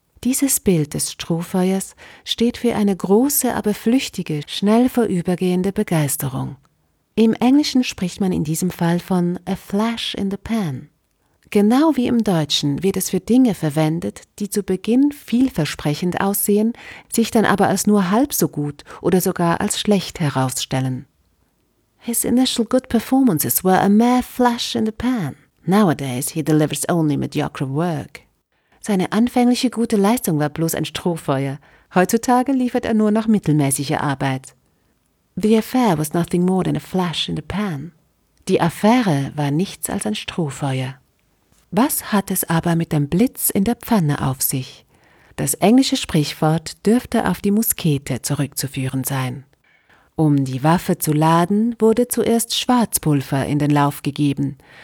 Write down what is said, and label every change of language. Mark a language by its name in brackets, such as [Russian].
[German] Dieses Bild des Strohfeuers steht für eine große, aber flüchtige, schnell vorübergehende Begeisterung. Im Englischen spricht man in diesem Fall von [English] a flash in the pan. [German] Genau wie im Deutschen wird es für Dinge verwendet, die zu Beginn vielversprechend aussehen, sich dann aber als nur halb so gut oder sogar als schlecht herausstellen. [English] His initial good performances were a mere flash in the pan. Nowadays he delivers only mediocre work. [German] Seine anfängliche gute Leistung war bloß ein Strohfeuer. Heutzutage liefert er nur noch mittelmäßige Arbeit. The affair was nothing more than a flash in the pan. Die Affäre war nichts als ein Strohfeuer. Was hat es aber mit dem Blitz in der Pfanne auf sich? Das englische Sprichwort dürfte auf die Muskete zurückzuführen sein. Um die Waffe zu laden, wurde zuerst Schwarzpulver in den Lauf gegeben.